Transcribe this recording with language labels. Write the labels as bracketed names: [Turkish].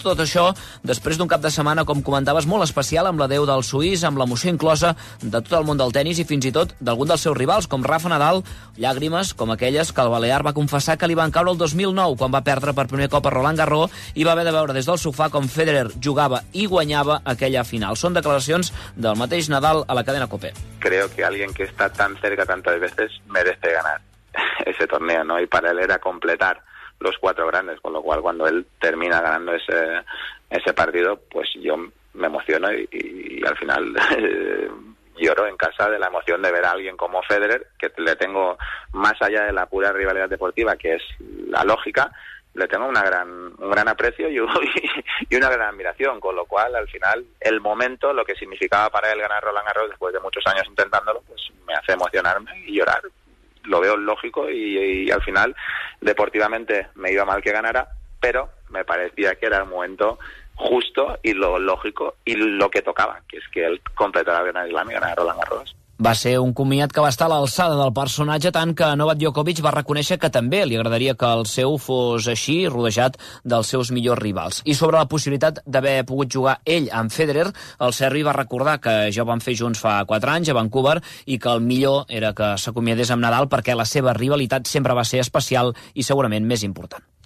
[Catalan] Tot això després d'un cap de setmana, com comentaves, molt especial, amb l'adeu del suís, amb l'emoció inclosa de tot el món del tennis i fins i tot d'algun dels seus rivals, com Rafa Nadal, llàgrimes com aquelles que el balear va confessar que li van caure el 2009 quan va perdre per primer cop a Roland Garros i va haver de veure des del sofà com Federer jugava i guanyava aquella final. Són declaracions del mateix Nadal a la cadena COPE. [Spanish] Creo que alguien que está tan cerca tantas veces merece ganar ese torneo, ¿no? Y para él era completar los cuatro grandes, con lo cual cuando él termina ganando ese partido, pues yo me emociono y al final... lloro en casa de la emoción de ver a alguien como Federer, que le tengo, más allá de la pura rivalidad deportiva, que es la lógica, le tengo un gran aprecio y una gran admiración, con lo cual al final el momento, lo que significaba para él ganar Roland Garros después de muchos años intentándolo, pues me hace emocionarme y llorar. Lo veo lógico y al final deportivamente me iba mal que ganara, pero me parecía que era el momento justo y lo lógico y lo que tocaba, que es que él completara bien a Islam y ganara Roland Garros. [Catalan] Va ser un comiat que va estar a l'alçada del personatge, tant que Novak Djokovic va reconèixer que també li agradaria que el seu fos així, rodejat dels seus millors rivals. I sobre la possibilitat d'haver pogut jugar ell amb Federer, el Serbi va recordar que ja ho van fer junts fa 4 anys a Vancouver i que el millor era que s'acomiadés amb Nadal perquè la seva rivalitat sempre va ser especial i segurament més important.